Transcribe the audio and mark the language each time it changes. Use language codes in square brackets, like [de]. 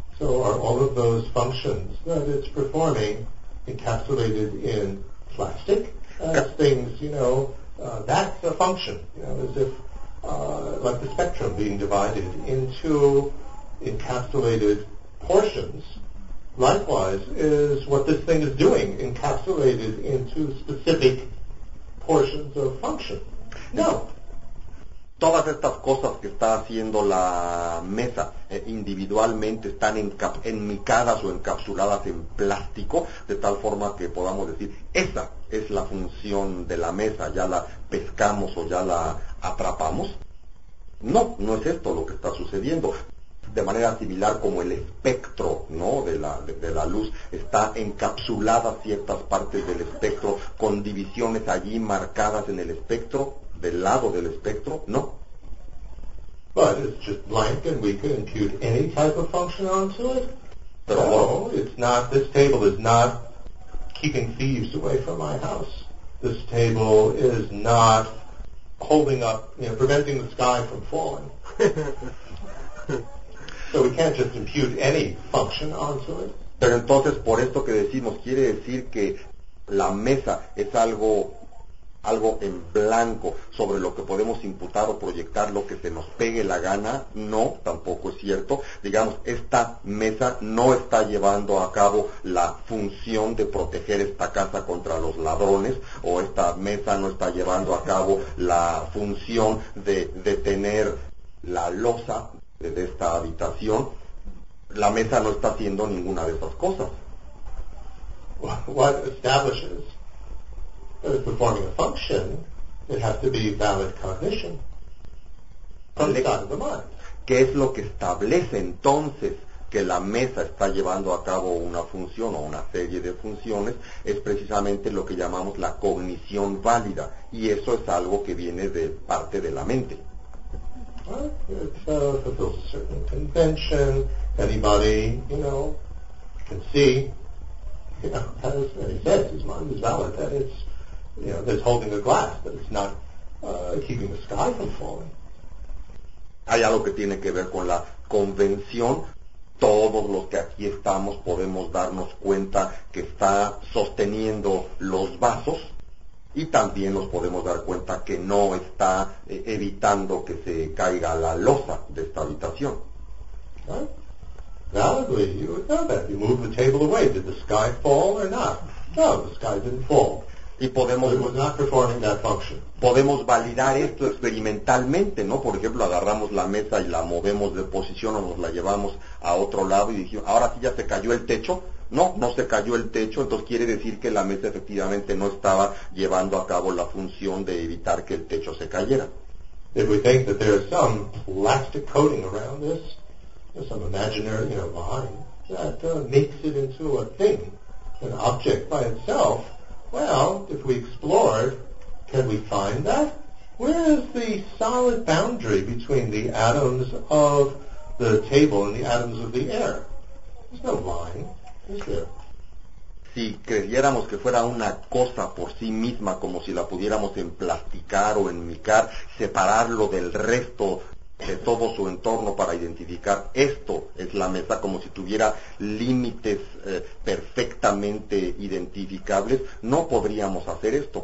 [en] So are all of those functions that it's performing encapsulated in plastic as things, you know, that's a function, you know, as if like the spectrum being divided into encapsulated portions. Likewise is what this thing is doing, encapsulated into specific portions of function. No. [es] Todas estas cosas que está haciendo la mesa individualmente están enmicadas o encapsuladas en plástico, de tal forma que podamos decir, esa es la función de la mesa, ya la pescamos o ya la atrapamos. No, no es esto lo que está sucediendo. De manera similar como el espectro, ¿no?, de la luz, está encapsulada ciertas partes del espectro con divisiones allí marcadas en el espectro, del lado del espectro, ¿no? [en] But it's just blank and we can impute any type of function onto it. [es] Pero [en] no, it's not, this table is not keeping thieves away from my house. This table is not holding up, you know, preventing the sky from falling. So we can't just impute any function onto it. [es] Pero entonces, por esto que decimos, ¿quiere decir que la mesa es algo en blanco sobre lo que podemos imputar o proyectar lo que se nos pegue la gana? No, tampoco es cierto. Digamos, esta mesa no está llevando a cabo la función de proteger esta casa contra los ladrones, o esta mesa no está llevando a cabo la función de detener la losa de esta habitación. La mesa no está haciendo ninguna de esas cosas. [en] What establishes that it's performing a function, it has to be valid cognition from the side of the mind. [es] ¿Qué es lo que establece entonces que la mesa está llevando a cabo una función o una serie de funciones? Es precisamente lo que llamamos la cognición válida, y eso es algo que viene de parte de la mente. [en] It fulfills a certain convention. Anybody, you know, can see, you know, as he says, his mind is valid, that it's, you know, it's holding a glass, that it's not keeping the sky from falling. [es] Hay algo que tiene que ver con la convención. todos los que aquí estamos podemos darnos cuenta que está sosteniendo los vasos, y también nos podemos dar cuenta que no está evitando que se caiga la losa de esta habitación. [en] Validly, you would know that. You move the table away. Did the sky fall or not? No, the sky didn't fall. [es] Y podemos, [en] it was not performing that function. [es] Podemos validar esto experimentalmente, ¿no? Por ejemplo, agarramos la mesa y la movemos de posición o nos la llevamos a otro lado y dijimos, ahora sí ya se cayó el techo. No, no se cayó el techo, entonces quiere decir que la mesa efectivamente no estaba llevando a cabo la función de evitar que el techo se cayera. [en] If we think that there is some plastic coating around this, there's some imaginary, you know, behind, that makes it into a thing, an object by itself, well, if we explore, can we find that? Where is the solid boundary between the atoms of the table and the atoms of the air? There's no line. [es] Si creyéramos que fuera una cosa por sí misma, como si la pudiéramos emplasticar o enmicar, separarlo del resto de todo su entorno para identificar esto es la mesa, como si tuviera límites perfectamente identificables, no podríamos hacer esto.